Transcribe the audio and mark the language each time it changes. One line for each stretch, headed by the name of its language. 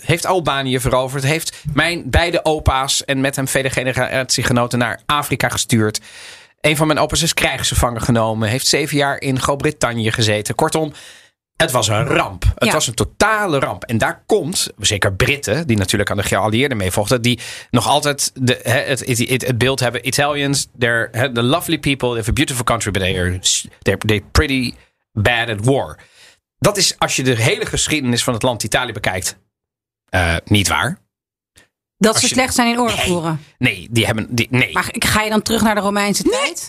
Dutch: Heeft Albanië veroverd. Heeft mijn beide opa's en met hem vele generatiegenoten naar Afrika gestuurd. Een van mijn opa's is krijgsgevangen genomen. Heeft 7 jaar in Groot-Brittannië gezeten. Kortom, het was een ramp. Het was een totale ramp. En daar komt, zeker Britten, die natuurlijk aan de geallieerden meevochten, die nog altijd het beeld hebben.
English: Italians, they're the lovely people, they have a beautiful country, but they're pretty bad at war.
Dutch: Dat is, als je de hele geschiedenis van het land Italië bekijkt, niet waar. Dat ze slecht zijn in oorlogvoeren. Nee. Maar ga je dan terug naar de Romeinse tijd?